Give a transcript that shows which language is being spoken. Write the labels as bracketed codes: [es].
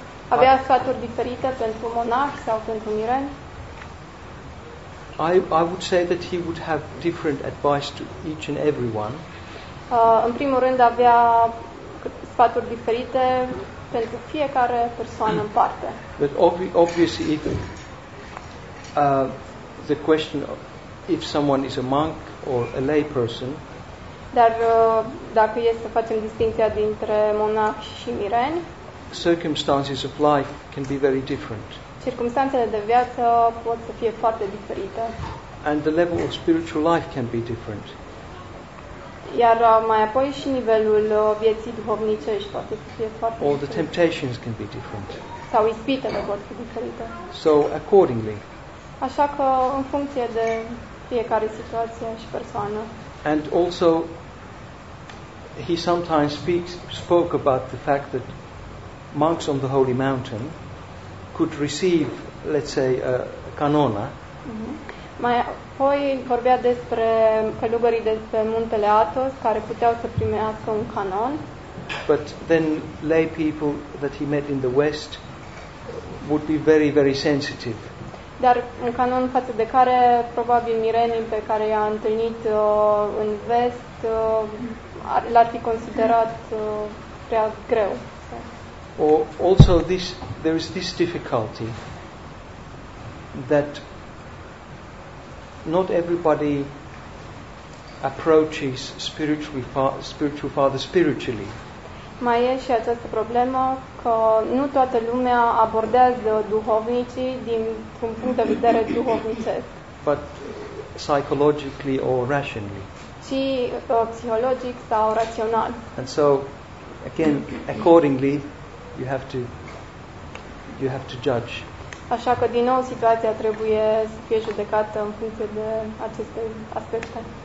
[ro] Avea sfaturi diferite pentru monahi sau pentru mireni? [en] I would say that he would have different advice to each and everyone. [ro] În primul rând avea sfaturi diferite pentru fiecare persoană în parte. [en] But obviously if the question of if someone is a monk or a lay person. [ro] Dar dacă e să facem distinția dintre monah și miren, [en] circumstances of life can be very different. [ro] Circumstanțele de viață pot să fie foarte diferite. [en] And the level of spiritual life can be different. [ro] Iar mai apoi și nivelul vieții duhovnicești poate să fie foarte diferit. [en] Or the temptations can be different. [ro] Sau ispitele pot fi diferite. [en] So accordingly. [ro] Așa că în funcție de fiecare situație și persoană. [en] And also, he sometimes spoke about the fact that monks on the holy mountain could receive, let's say, a canona. [ro] Mai apoi vorbea despre călugării de pe muntele Athos care puteau să primească un canon. [en] But then lay people that he met in the West would be very, very sensitive. [ro] Dar un canon față de care probabil mirenii pe care i-a întâlnit în vest l-ar fi considerat prea greu. [en] Or also this, there is this difficulty that not everybody approaches spiritual father spiritually. [ro] Mai e și această problemă că nu toată lumea abordează duhovnicii dintr-un punct de vedere duhovnicesc. [en] But psychologically or rationally. [ro] Și psihologic sau rațional. [en] And so, again, accordingly, you have to judge. [ro] Așa că din nou situația trebuie să fie judecată în funcție de aceste aspecte.